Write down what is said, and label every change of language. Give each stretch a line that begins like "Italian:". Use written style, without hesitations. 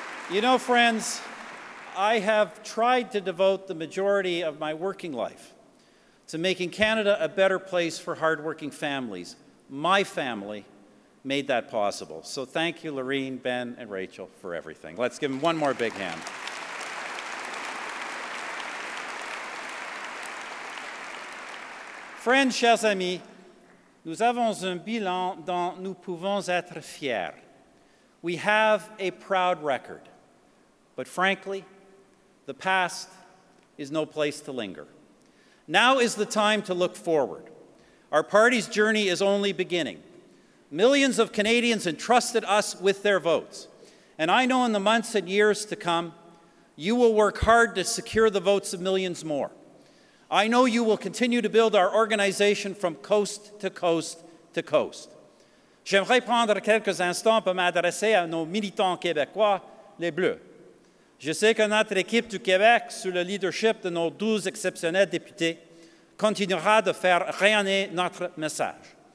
English: You know, friends, I have tried to devote the majority of my working life to making Canada a better place for hardworking families. My family made that possible. So thank you, Lorene, Ben, and Rachel, for everything. Let's give them one more big hand.
French: Friends, chers amis, nous avons un bilan dont nous pouvons être fiers.
English: We have a proud record. But frankly, the past is no place to linger. Now is the time to look forward. Our party's journey is only beginning. Millions of Canadians entrusted us with their votes. And I know in the months and years to come, you will work hard to secure the votes of millions more. I know you will continue to build our organization from coast to coast to coast.
French: J'aimerais prendre quelques instants pour m'adresser à nos militants québécois, les Bleus. Je sais que notre équipe du Québec, sous le leadership de nos 12 exceptionnels députés, continuera de faire rayonner notre message.